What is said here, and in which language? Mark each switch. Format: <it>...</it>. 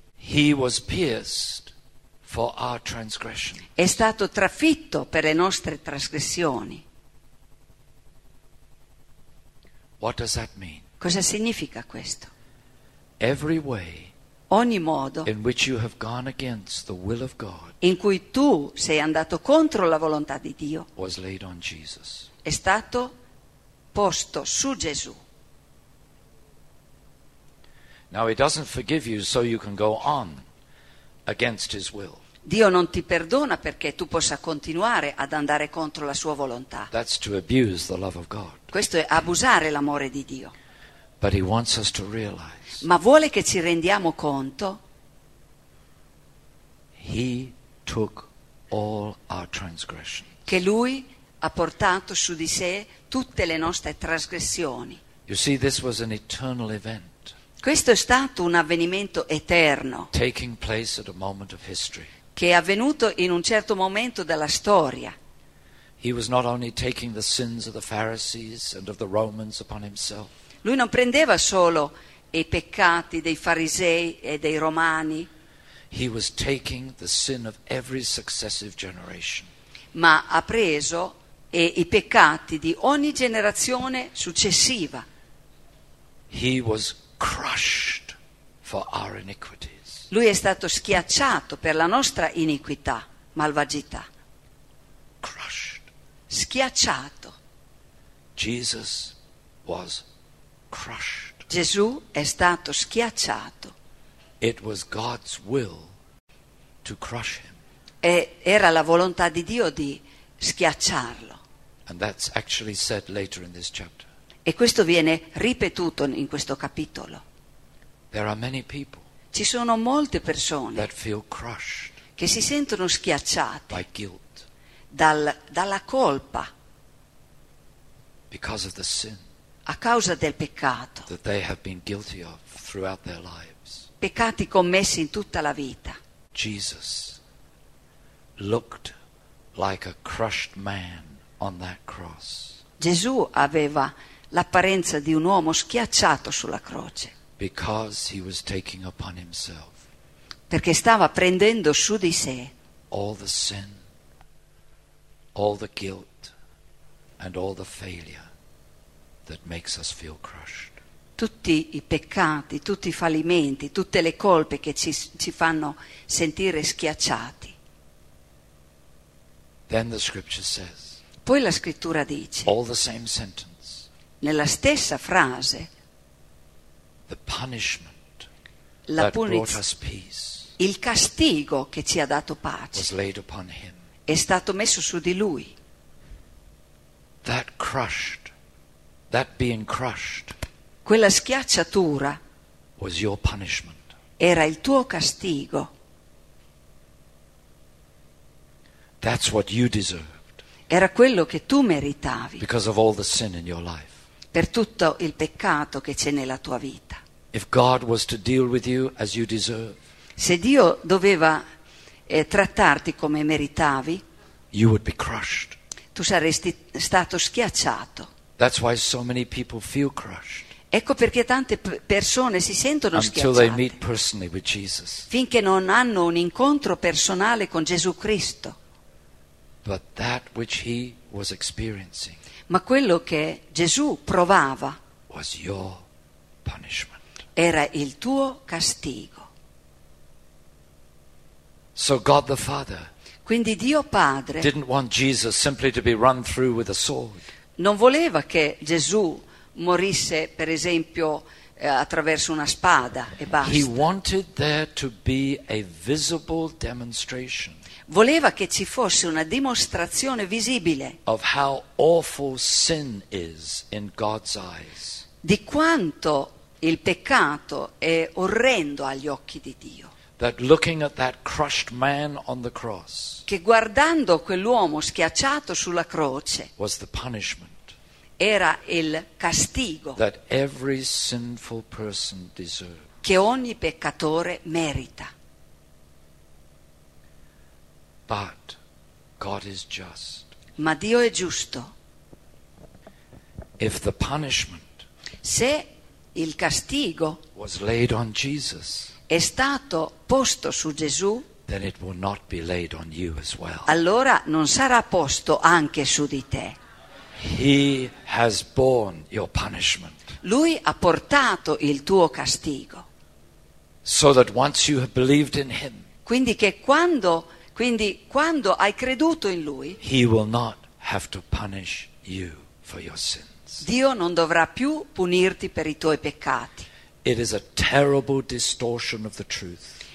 <en>He was pierced for our transgressions.</en> <it>È stato trafitto per le nostre trasgressioni.</it> <en>What does that mean?</en> <it>Cosa significa questo?</it> <en>Every way</en> <it>ogni modo</it> <en>in which you have gone against the will of God</en> <it>in cui tu sei andato contro la volontà di Dio</it> <en>was laid on Jesus.</en> <it>È stato posto su Gesù.</it> <en>Now he doesn't forgive you so you can go on against his will.</en> <it>Dio non ti perdona perché tu possa continuare ad andare contro la sua volontà.</it> <en>That's to abuse the love of God.</en> <it>Questo è abusare l'amore di Dio.</it> <en>But he wants us to realize.</en> <it>Ma vuole che ci rendiamo conto.</it> <en>He took all our transgressions.</en> <it>Che lui ha portato su di sé tutte le nostre trasgressioni.</it> <en>You see, this was an eternal event.</en> <it>Questo è stato un avvenimento eterno.</it> <en>Taking place at a moment of history.</en> <it>Che è avvenuto in un certo momento della storia.</it> <en>He was not only taking the sins of the Pharisees and of the Romans upon himself.</en> <it>Lui non prendeva solo i peccati dei farisei e dei romani.</it> <en>He was taking the sin of every successive generation.</en> <it>Ma ha preso i peccati di ogni generazione successiva.</it> <en>He was crushed for our iniquities.</en> <it>Lui è stato schiacciato per la nostra iniquità, malvagità.</it> <en>Crushed.</en> <it>Schiacciato.</it> <en>Jesus was crushed.</en> <it>Gesù è stato schiacciato.</it> <en>It was God's will to crush him.</en> <it>E era la volontà di Dio di schiacciarlo.</it> <en>And that's actually said later in this chapter.</en> <it>E questo viene ripetuto in questo capitolo.</it> <en>There are many people.</en> <it>Ci sono molte persone</it> <en>that feel crushed.</en> <it>Che si sentono schiacciate</it> <en>by guilt.</en> <it>Dalla colpa.</it> <en>Because of the sin.</en> <it>A causa del peccato.</it> <en>That they have been guilty of throughout their lives.</en> <it>Peccati commessi in tutta la vita.</it> <en>Jesus looked like a crushed man on that cross.</en> <it>Gesù aveva l'apparenza di un uomo schiacciato sulla croce.</it> <en>Because he was taking upon himself.</en> <it>Perché stava prendendo su di sé.</it> <en>All the sin, all the guilt, and all the failure that makes us feel crushed.</en> <it>Tutti i peccati, tutti i fallimenti, tutte le colpe che ci fanno sentire schiacciati.</it> <en>Then the scripture says.</en> <it>Poi la scrittura dice.</it> <en>All the same sentence.</en> <it>Nella stessa frase.</it> <en>The punishment</en> <it>la</it> <en>that brought us peace.</en> <it>Il castigo che ci ha dato pace.</it> <en>Was laid upon him.</en> <it>È stato messo su di lui.</it> <en>That crushed, that being crushed,</en> <it>quella schiacciatura</it> <en>was your punishment.</en> <it>Era il tuo castigo.</it> <en>That's what you deserved.</en> <it>Era quello che tu meritavi.</it> <en>Because of all the sin in your life.</en> <it>Per tutto il peccato che c'è nella tua vita.</it> <en>If God was to deal with you as you deserve,</en> <it>se Dio doveva trattarti come meritavi,</it> <en>you would be crushed.</en> <it>Tu saresti stato schiacciato.</it> <en>That's why so many people feel crushed.</en> <it>Ecco perché tante persone si sentono</it> <en>until</en> <it>schiacciate.</it> <en>They meet personally with Jesus.</en> <it>Finché non hanno un incontro personale con Gesù Cristo.</it> <en>But that which he was experiencing.</en> <it>Ma quello che Gesù provava</it> <en>was your punishment.</en> <it>Era il tuo castigo.</it> <en>So God the Father.</en> <it>Quindi Dio Padre</it> <en>didn't want Jesus simply to be run through with a sword.</en> <it>Non voleva che Gesù morisse, per esempio, attraverso una spada e basta.</it> <en>He wanted there to be a visible demonstration.</en> <it>Voleva che ci fosse una dimostrazione visibile</it> <en>of how awful sin is in God's eyes.</en> <it>Di quanto il peccato è orrendo agli occhi di Dio.</it> <en>That looking at that crushed man on the cross.</en> <it>Che guardando quell'uomo schiacciato sulla croce.</it> <en>Was the punishment.</en> <it>Era il castigo.</it> <en>That every sinful person deserved.</en> <it>Che ogni peccatore merita.</it> <en>But God is just.</en> <it>Ma Dio è giusto.</it> <en>If the punishment.</en> <it>Se il castigo.</it> <en>Was laid on Jesus.</en> <it>È stato posto su Gesù,</it> <en>then it will not be laid on you as well.</en> <it>Allora non sarà posto anche su di te.</it> <en>He has borne your punishment.</en> <it>Lui ha portato il tuo castigo.</it> <en>So that once you have believed in him,</en> <it>quindi quando hai creduto in lui,</it> <en>he will not have to punish you for your sins.</en> <it>Dio non dovrà più punirti per i tuoi peccati.</it> <en>It is a terrible distortion of the truth.</en>